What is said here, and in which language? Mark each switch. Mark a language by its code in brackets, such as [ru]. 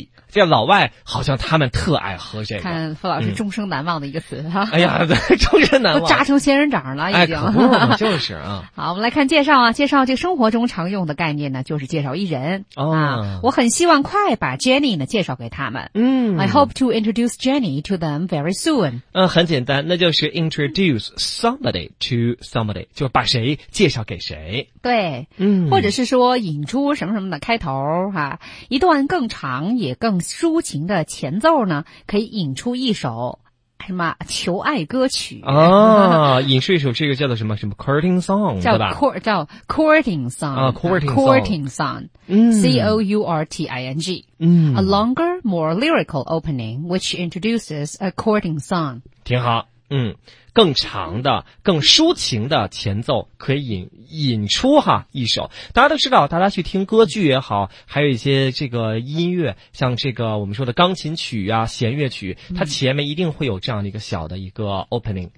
[zh] 这老外好像他们特爱喝这个。看傅老师终生难忘的一个词哈，哎呀，终身难忘，都扎成仙人掌了已经。哎，可不嘛，就是啊。好，我们来看介绍啊，介绍这生活中常用的概念呢，就是介绍一人，哦，啊。我很希望快把 Jenny 呢介绍给他们。嗯 [en] ，I hope to introduce Jenny to them very soon。 [zh] 嗯，很简单，那就是 [en] introduce somebody to somebody， [zh] 就把谁介绍给谁。对，嗯，或者是说引出什么什么的开头哈，一段更长也更。抒情的前奏呢，可以引出一首什么求爱歌曲啊？引出一首这个叫做什么什么 [en] courting song， [zh] 叫吧？叫 [en] courting song 啊 ，courting song， [zh] 嗯 [en] ，c o u r t i n g， [zh] 嗯 [en] ，a longer, more lyrical opening which introduces a courting song， [zh] 挺好。更长的更抒情的前奏可以引出哈一首。大家都知道，大家去听歌剧也好，还有一些这个音乐，像这个我们说的钢琴曲啊弦乐曲，它前面一定会有这样的一个小的一个 opening，